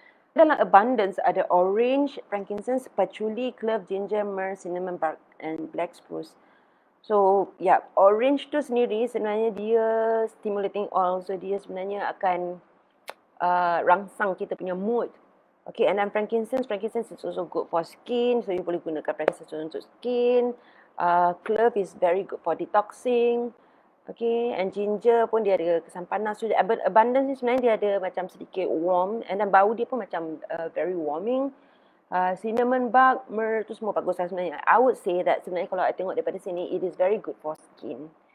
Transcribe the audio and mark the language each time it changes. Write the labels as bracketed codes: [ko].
[ms] Dalam abundance ada orange, frankincense, patchouli, clove, ginger, myrrh, cinnamon bark and black spruce. So yeah, orange tu sendiri sebenarnya dia stimulating oil. So dia sebenarnya akan rangsang kita punya mood. [en] Okay, and then frankincense is also good for skin. [ms] So you boleh gunakan frankincense untuk skin. [en] Clove is very good for detoxing. [ms] Okay, and ginger pun dia ada kesan panas. So abundance ni sebenarnya dia ada macam sedikit warm, and then bau dia pun macam [en] very warming. [ms] Cinnamon bark, myrrh tu semua bagus lah sebenarnya. [en] I would say that [ms] sebenarnya kalau I tengok daripada sini, [en] it is very good for skin.